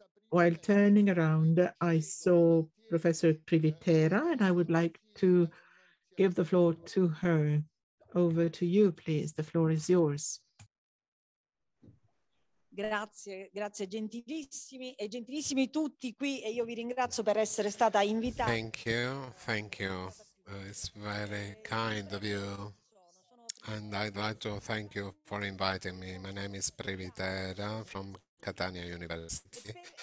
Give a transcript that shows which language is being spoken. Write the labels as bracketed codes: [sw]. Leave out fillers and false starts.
[en] While turning around, I saw Professor Privitera, and I would like to give the floor to her. Over to you, please. The floor is yours. [it] Grazie, grazie gentilissimi e gentilissimi tutti qui e io vi ringrazio per essere stata invitata. [en] Thank you, it's very kind of you. And I'd like to thank you for inviting me. My name is Privitera from Catania University.